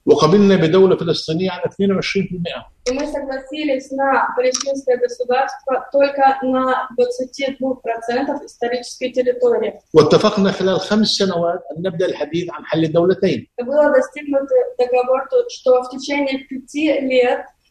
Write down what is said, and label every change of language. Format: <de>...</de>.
<ar>وقبلنا بدولة فلسطينية على 22%.</ar> <ru>И мы согласились на палестинское государство только на 22% исторической территории.</ru> <ar>واتفقنا خلال 5 سنوات أن نبدأ الحديث عن حل الدولتين.</ar> <ru>Было достигнуто договор, что в течение 5 лет</ru>